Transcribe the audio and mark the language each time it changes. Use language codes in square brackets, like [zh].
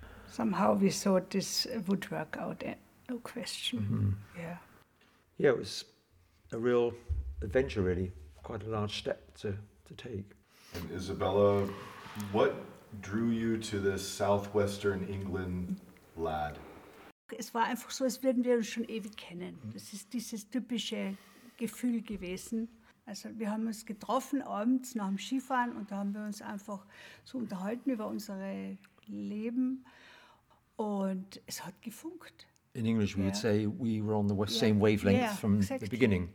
[en] Somehow we thought this would work out, no question. Mm-hmm. Yeah. Yeah, it was a real adventure, really. Quite a large step to take. And Isabella, what drew you to this southwestern England lad? [de] Es war einfach so, als würden wir uns schon ewig kennen. Das ist dieses typische Gefühl gewesen. Also wir haben uns getroffen abends nach dem Skifahren und da haben wir uns einfach so unterhalten über unsere Leben. Und es hat gefunkt. [en] In English, we would say we were on the same wavelength from the beginning.